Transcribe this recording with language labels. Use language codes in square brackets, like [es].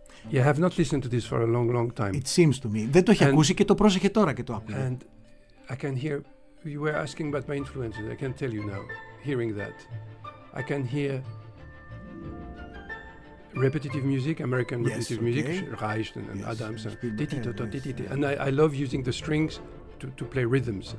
[en] Yeah, I have not listened to this for a long, long time. It seems to me. [el] Δεν το έχει ακούσει και το πρόσεχε τώρα και το άκουσε. [en] And I can hear, you were asking about my influences. I can tell you now, hearing that. I can hear repetitive music, American repetitive yes, okay. music, Reicht and yes, Adams. And, and I love using the strings to play rhythms.